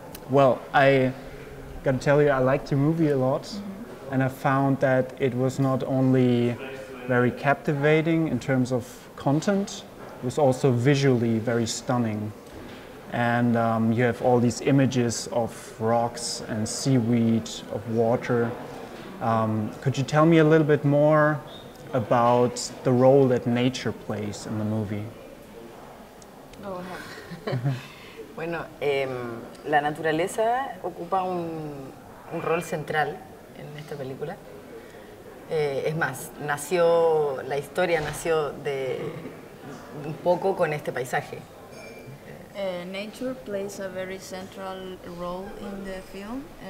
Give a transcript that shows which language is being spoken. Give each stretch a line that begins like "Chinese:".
English: Well, I got to tell you, I liked the movie a lot, and I found that it was not only very captivating in terms of content, it was also visually very stunning. And you have all these images of rocks and seaweed, of water. Could you tell me a little bit more about the role that nature plays in the movie? Oh.
Spanish: Bueno, la naturaleza ocupa un rol central en esta película. Es más, nació la historia nació de un poco con este paisaje.
English: Nature plays a very central role in the film.